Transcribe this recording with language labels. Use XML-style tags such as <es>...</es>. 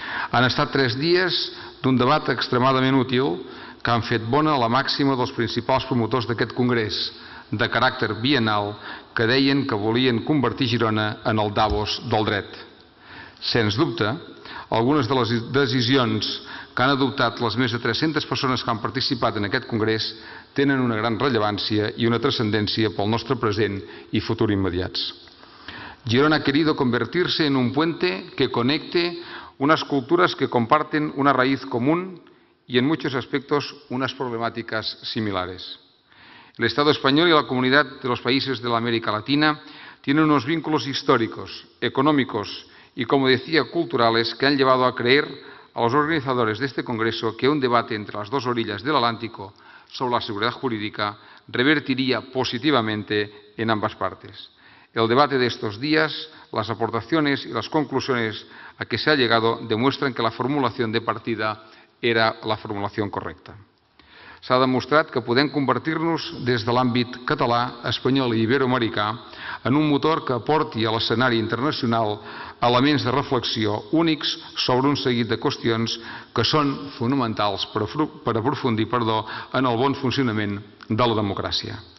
<ca>han estat tres dies d'un debat extremadament útil que han fet bona la màxima dels principals promotors d'aquest congrés de caràcter bienal que deien que volien convertir Girona en el Davos del dret. Sens dubte, algunes de les decisions que han adoptat les més de 300 persones que han participat en aquest congrés tenen una gran rellevància i una transcendència pel nostre present i futur immediats.</ca> <es>Girona ha querido convertirse en un puente que conecte unas culturas que comparten una raíz común y en muchos aspectos unas problemáticas similares. El Estado español y la comunidad de los países de la América Latina tienen unos vínculos históricos, económicos y, como decía, culturales que han llevado a creer a los organizadores de este Congreso que un debate entre las dos orillas del Atlántico sobre la seguridad jurídica revertiría positivamente en ambas partes. El debate de estos días, las aportaciones y las conclusiones a que se ha llegado demuestran que la formulación de partida era la formulación correcta.</es> <ca>S'ha demostrat que podem convertir-nos des de l'àmbit català, espanyol i iberoamericà en un motor que aporti a l'escenari internacional elements de reflexió únics sobre un seguit de qüestions que són fonamentals per aprofundir en el bon funcionament de la democràcia.</ca>